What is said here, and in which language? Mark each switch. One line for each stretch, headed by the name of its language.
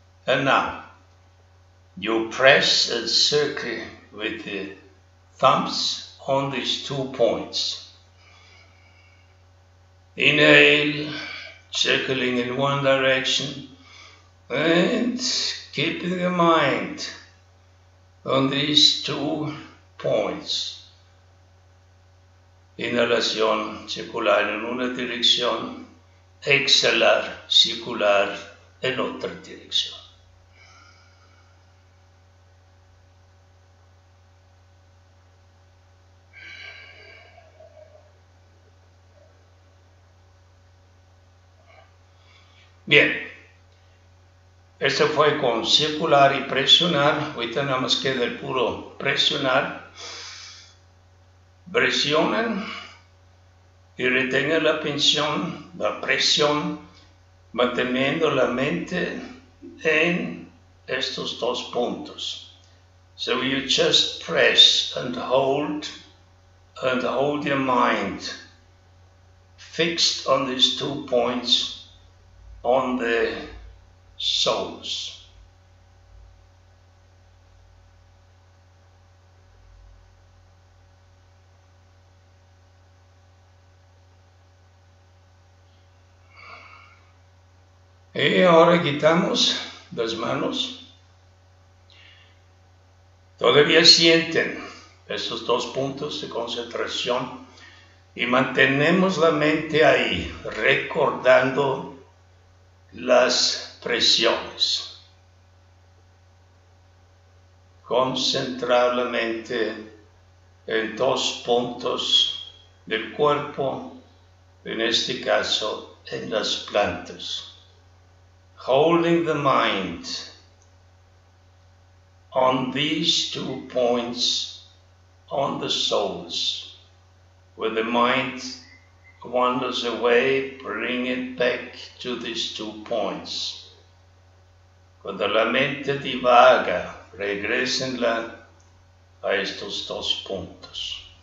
English: And now, you press a circle with the thumbs on these two points. Inhale, circling in one direction, and keeping your mind on these two points.
Spanish: Inhalación, circular en una dirección, exhalar, circular en otra dirección. Bien, esto fue con circular y presionar. Ahorita nada más queda el puro presionar. Presionen y retengan la tensión, la presión, manteniendo la mente en estos dos puntos.
English: So you just press and hold your mind fixed on these two points on the soles.
Spanish: Y ahora quitamos las manos. Todavía sienten esos dos puntos de concentración y mantenemos la mente ahí, recordando las presiones. Concentrar la mente en dos puntos del cuerpo, en este caso en las plantas.
English: Holding the mind on these two points on the soles. When the mind wanders away, bring it back to these two points.
Spanish: Cuando la mente divaga, regresenla a estos dos puntos.